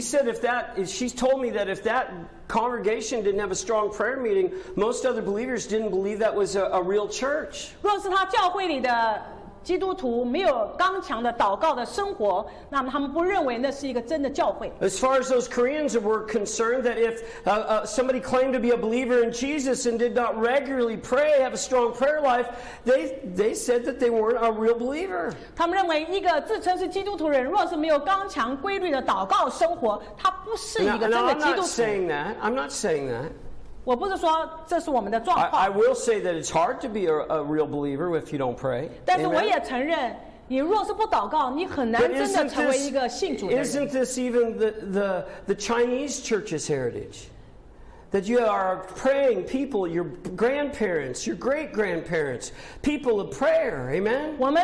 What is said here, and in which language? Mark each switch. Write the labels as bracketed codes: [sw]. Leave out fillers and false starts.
[en] said if that she told me that if that congregation didn't have a strong prayer meeting, most other believers didn't believe that was a real church. [zh] 若是他教会里的 基督徒没有刚强的祷告的生活, 那么他们不认为那是一个真的教会。 [en] As far as those Koreans were concerned, that if somebody claimed to be a believer in Jesus and did not regularly pray, have a strong prayer life, they said that they weren't a real believer. [zh] 他们认为一个自称是基督徒人, 若是没有刚强规律的祷告生活, 他不是一个真的基督徒。 [en] I'm not saying that. [zh] 我不是说这是我们的状况。 [en] I will say that it's hard to be a real believer if you don't pray. [zh] 但是我也承认, 你若是不祷告, 你很难真的成为一个信主的人。 [en] Isn't this even the Chinese church's heritage? That you are praying people, your grandparents, your great-grandparents, people of prayer, amen?